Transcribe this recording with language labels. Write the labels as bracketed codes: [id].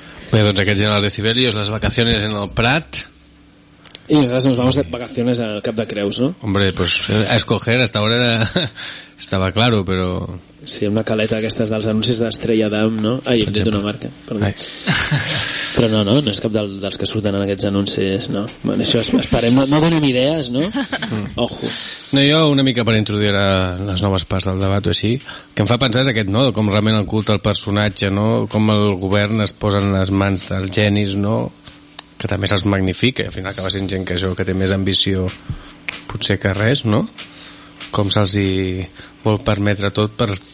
[ca] Aquests eren els Decibelios, les vacaciones en el Prat. I nosaltres [es] nos vamos de vacaciones [ca] al Cap de Creus, no? [es] Hombre, pues a escoger, hasta ahora era... [ca] estava claro, però... Sí, una caleta aquestes dels anuncis d'Estrella Damm, no? Ai, per hem dit una marca, perdó. Ai. Però no és cap dels que surten en aquests anuncis, no? Bueno, això esperem, no donem idees, no? Ojo. No, jo una mica per introduir les noves parts del debat o així, que em fa pensar és aquest, no?, com realment el culte al personatge, no?, com el govern es posa en les mans dels genis, no?, que també se'ls magnifica, al final acaba sent gent que això, que té més ambició potser que res, no?, com se'ls vol permetre tot per